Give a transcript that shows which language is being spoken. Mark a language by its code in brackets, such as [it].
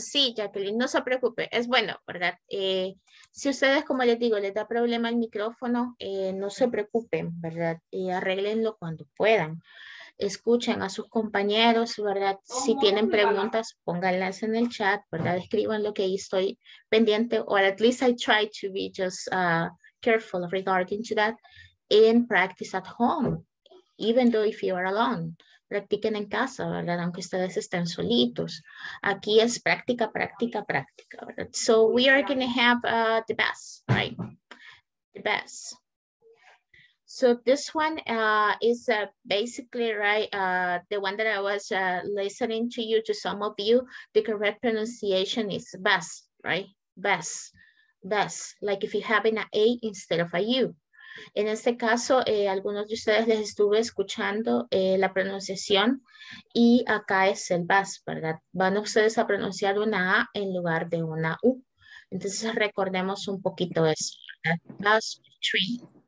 [es] Sí, Jacqueline, no se preocupe. Es bueno, ¿verdad? Si ustedes, como les digo, les da problema el micrófono, no se preocupen, ¿verdad? Y arréglenlo cuando puedan. Escuchen a sus compañeros, ¿verdad? Si tienen preguntas, pónganlas en el chat, ¿verdad? Escriban lo que ahí estoy pendiente, [en] or at least I try to be just careful regarding to that, and practice at home, even though if you are alone. [es] Practiquen en casa, ¿verdad? Aunque ustedes estén solitos. Aquí es práctica, práctica, práctica, ¿verdad? [en] So we are going to have the best, right? The best. So this one is basically, right, the one that I was listening to you, to some of you, the correct pronunciation is best, right? Best, best. Like if you have an A instead of a U. [es] En este caso, algunos de ustedes les estuve escuchando la pronunciación y acá es el best, ¿verdad? Van ustedes a pronunciar una A en lugar de una U. Entonces recordemos un poquito eso, ¿verdad? [en] Best for tree.